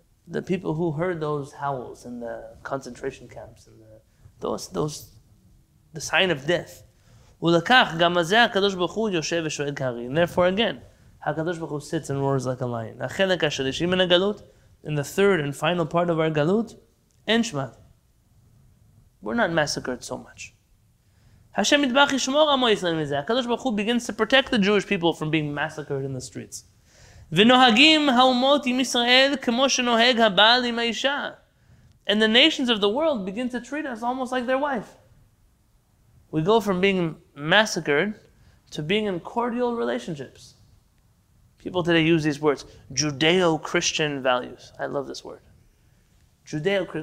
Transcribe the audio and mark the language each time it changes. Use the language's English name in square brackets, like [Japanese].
[English] the people who heard those howls in the concentration camps and the, those the sign of death. And therefore again, HaKadosh Baruch Hu sits and roars like a lion. [Hebrew] החלק השלישי מן הגלות, [English] in the third and final part of our galut, [Hebrew] אין שמד. [English] We're not massacred so much. [Hebrew] Hashem Yitbach Yishmor Amo Yisrael Mizeh. [English] HaKadosh Baruch Hu begins to protect the Jewish people from being massacred in the streets. [Hebrew] ונוהגים האומות עם ישראל כמו שנוהג הבעל עם האישה. [English] And the nations of the world begin to treat us almost like their wife. We go from being massacred to being in cordial relationships. People today use these words, Judeo-Christian values. I love this word. Judeo-Christian.